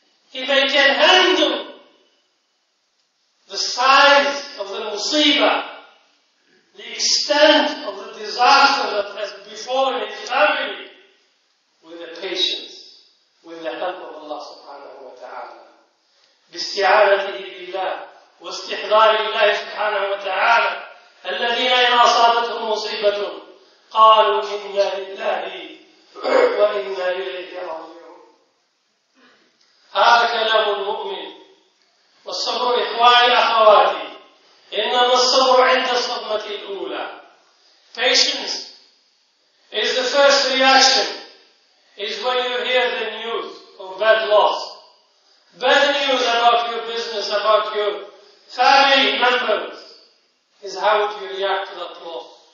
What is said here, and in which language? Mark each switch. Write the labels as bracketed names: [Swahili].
[English] He may can handle the size of the musibah, the extent of the disaster that has befallen his family, with the patience, with the help of Allah subhanahu wa ta'ala. [Arabic] باستعانته بالله واستحضار الله سبحانه وتعالى الذين إن أصابتهم مصيبة قالوا إنا لله وإنا إليه راجعون. هذا كلام المؤمن. والصبر إخواني أخواتي إنما الصبر عند الصدمة الأولى. [English] Patience is the first reaction is when you hear the news of bad loss. Bad news about your business, about your family members, is how do you react to that loss.